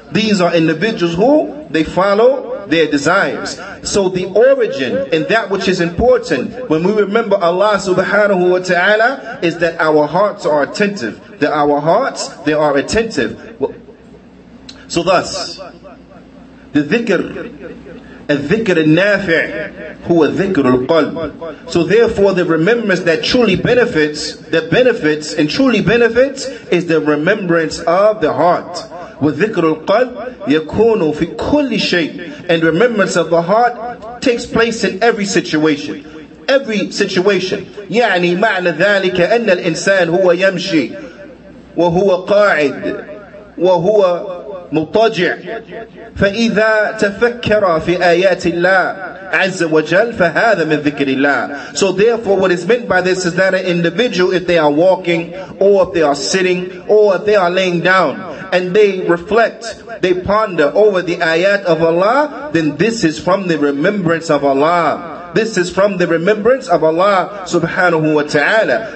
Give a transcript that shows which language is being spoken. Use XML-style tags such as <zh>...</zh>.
<en>These are individuals who they follow their desires. So the origin and that which is important when we remember Allah subhanahu wa ta'ala is that our hearts are attentive. That our hearts, they are attentive. So thus, the dhikr</en> <ar>الذكر النافع هو ذكر القلب.</ar> <en>So therefore the remembrance that truly benefits, and truly benefits is the remembrance of the heart.</en> <ar>وذكر القلب يكون في كل شيء.</ar> <en>And remembrance of the heart takes place in every situation. Every situation.</en> <ar>يعني معنى ذلك أن الإنسان هو يمشي وهو قاعد وهو مضطجع. فإذا تفكر في آيات الله عز وجل فهذا من ذكر الله.</ar> <en>So therefore what is meant by this is that an individual, if they are walking or if they are sitting or if they are laying down and they reflect, they ponder over the ayat of Allah, then this is from the remembrance of Allah. This is from the remembrance of Allah subhanahu wa ta'ala.</en>